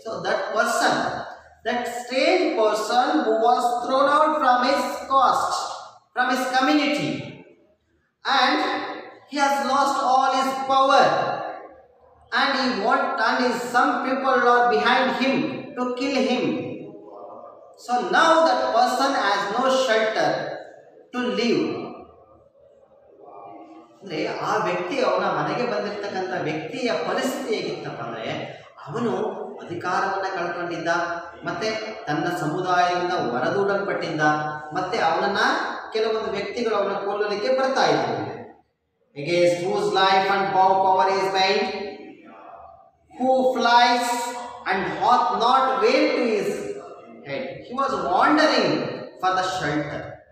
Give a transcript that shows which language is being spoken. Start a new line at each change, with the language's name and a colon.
English: So that person, that strange person who was thrown out from his cost, from his community, and he has lost all his power, and some people are behind him to kill him. So now that person has no shelter to live.
Kannada: ಅಂದರೆ ಆ ವ್ಯಕ್ತಿ, ಅವನ ಮನೆಗೆ ಬಂದಿರತಕ್ಕಂಥ ವ್ಯಕ್ತಿಯ ಪರಿಸ್ಥಿತಿ ಹೇಗಿತ್ತಪ್ಪ ಅಂದರೆ, ಅವನು ಅಧಿಕಾರವನ್ನು ಕಳ್ಕೊಂಡಿದ್ದ, ಮತ್ತು ತನ್ನ ಸಮುದಾಯದಿಂದ ಹೊರದೂಡಲ್ಪಟ್ಟಿದ್ದ, ಮತ್ತು ಅವನನ್ನು ಕೆಲವೊಂದು ವ್ಯಕ್ತಿಗಳು ಅವನ ಕೊಲ್ಲಲಿಕ್ಕೆ ಬರ್ತಾ ಇದ್ರು.
English: Against whose life and power is bent, who flies and hath not where to his head. He was wandering for the shelter,